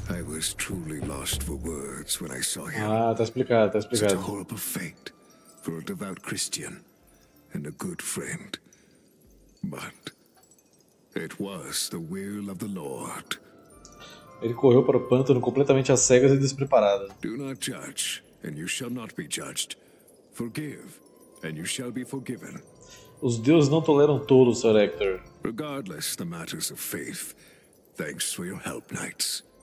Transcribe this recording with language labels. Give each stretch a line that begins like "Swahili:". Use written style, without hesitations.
English: When I saw him.
Portuguese: Ah, tá explicado, tá explicado.
English: Such a horrible fate for a devout Christian and a good friend. But it was the will of the Lord.
Portuguese: Ele correu para o pântano completamente às cegas e despreparado.
English: Do not judge, and you shall not be judged. Forgive, and you shall be forgiven.
Portuguese: Os deuses não toleram tolos, Sr. Hector.
English: Regardless the matters of faith, thanks for your help, knights.